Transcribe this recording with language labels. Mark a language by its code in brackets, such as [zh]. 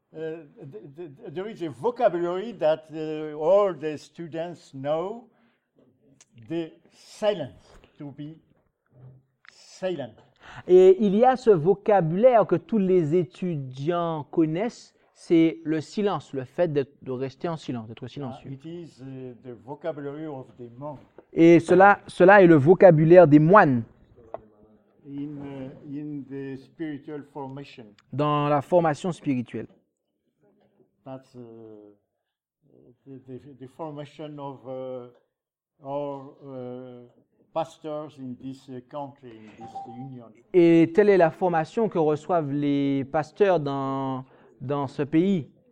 [en] There is a vocabulary that all the students know, the silence, to be silent. [fr] Et il y a ce vocabulaire que tous les étudiants connaissent, c'est le silence, le fait de rester en silence, d'être silencieux. [en] It is the vocabulary of the monk. [fr] Et cela est le vocabulaire des moines. [en] In the spiritual formation. [fr] Dans la formation spirituelle. [en] That's the formation of our pastors in this country, in this union. [fr] Et telle est la formation que reçoivent les pasteurs dans ce pays.